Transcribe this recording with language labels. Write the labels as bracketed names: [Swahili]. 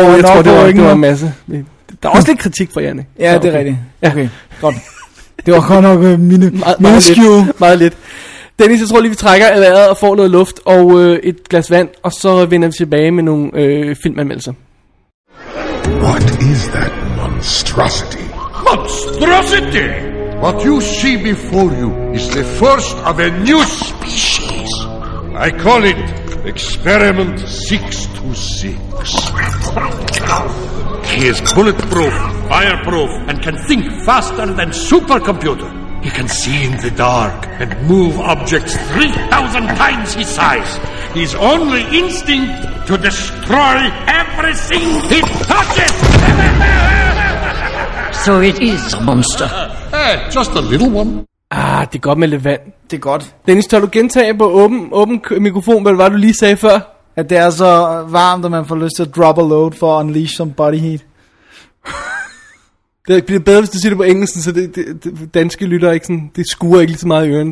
[Danish] Jo, jeg tror, det var en masse. Der er også lidt kritik fra Janne. Ja, okay. Det er rigtigt. Ja. Okay, godt. Det var godt nok miniskue. Meget lidt. Dennis, jeg tror lige, vi trækker vejret og får noget luft og et glas vand, og så vender vi tilbage med nogle filmanmeldelser. [English] What is that monstrosity? Monstrosity! What you see before you is the first of a new species. I call it Experiment 626. He is bulletproof, fireproof, and can think faster than supercomputer. He can see in the dark and move objects 3,000 times his size. His only instinct to destroy everything he touches. So it is a monster. Just a little one. [Danish] Ah, det er godt med lidt vand. Det er godt. Dennis, tør du gentage på åben mikrofon, hvad var du lige sagde før? At det er så varmt, at man får lyst til at [English] drop a load [Danish] for at [English] unleash some body heat. [Danish] Det bliver bedre, hvis du siger det på engelsk, så det danske lytter ikke sådan, det skuer ikke lige så meget i ørene.